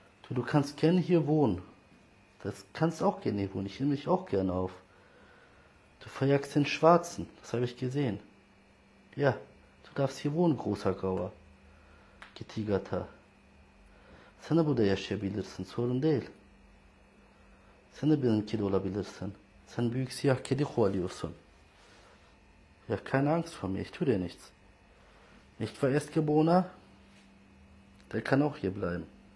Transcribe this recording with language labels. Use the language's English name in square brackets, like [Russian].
[German] Du kannst gerne hier wohnen. Das kannst auch gerne hier wohnen. Ich nehme dich auch gerne auf. Du verjagst den Schwarzen. Das habe ich gesehen. Ja, du darfst hier wohnen, großer Grauer. Getigerter. [Turkish] Sen de burada yaşayabilirsin. Sorun değil. Sen de benim kedi olabilirsin. Sen büyük siyah kedi kovalıyorsun. [German] Ja, keine Angst vor mir. Ich tue dir nichts. Nicht für Erstgeborener? Der kann auch hier bleiben.